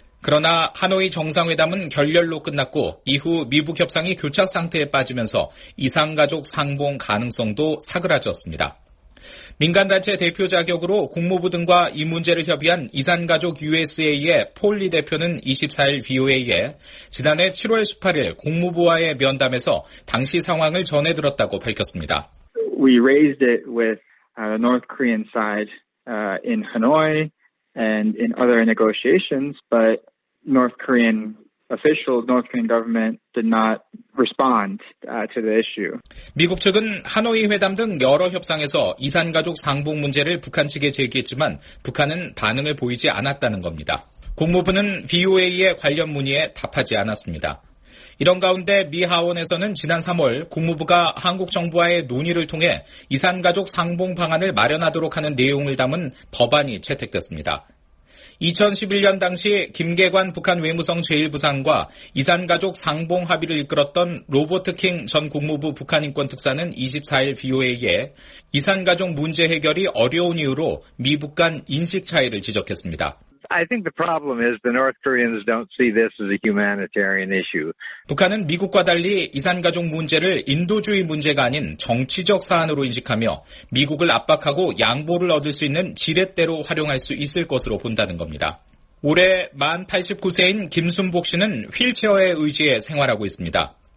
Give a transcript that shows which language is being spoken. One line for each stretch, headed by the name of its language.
Korean: 그러나 하노이 정상회담은 결렬로 끝났고 이후 미북 협상이 교착 상태에 빠지면서 이산가족 상봉 가능성도 사그라졌습니다. 민간단체 대표 자격으로 국무부 등과 이 문제를 협의한 이산가족 USA의 폴리 대표는 24일 VOA에 지난해 7월 18일 국무부와의 면담에서 당시 상황을 전해 들었다고 밝혔습니다.
English: We raised it with North Korean side in Hanoi. And in other negotiations, but North Korean officials, North Korean government did not respond to the issue.
Korean: 미국 측은 하노이 회담 등 여러 협상에서 이산가족 상봉 문제를 북한 측에 제기했지만 북한은 반응을 보이지 않았다는 겁니다. 국무부는 VOA의 관련 문의에 답하지 않았습니다. 이런 가운데 미 하원에서는 지난 3월 국무부가 한국 정부와의 논의를 통해 이산가족 상봉 방안을 마련하도록 하는 내용을 담은 법안이 채택됐습니다. 2011년 당시 김계관 북한 외무성 제1부상과 이산가족 상봉 합의를 이끌었던 로버트 킹 전 국무부 북한인권특사는 24일 VOA에 이산가족 문제 해결이 어려운 이유로 미북 간 인식 차이를 지적했습니다.
English: I think the problem is the North Koreans don't see this as a humanitarian issue.
Korean: 북한은 미국과 달리 이산가족 문제를 인도주의 문제가 아닌 정치적 사안으로 인식하며 미국을 압박하고 양보를 얻을 수 있는 지렛대로 활용할 수 있을 것으로 본다는 겁니다. 올해 만 89세인 김순복 씨는 휠체어에 의지해 생활하고 있습니다.